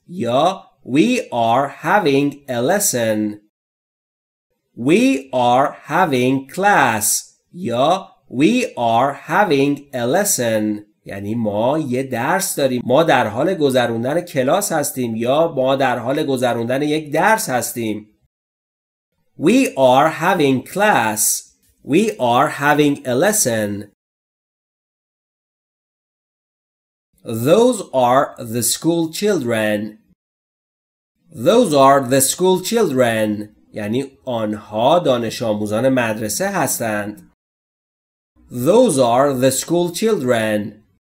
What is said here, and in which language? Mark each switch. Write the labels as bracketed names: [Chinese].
[English] یا we are having a lesson. We are having class. یا we are having a lesson. [Persian] یعنی ما یه درس داریم. ما در حال گذروندن کلاس هستیم یا ما در حال گذروندن یک درس هستیم. [English] We are having class. We are having a lesson. Those are the school children. Those are the school children. [Persian] یعنی آنها دانش آموزان مدرسه هستند. [English] Those are the school children.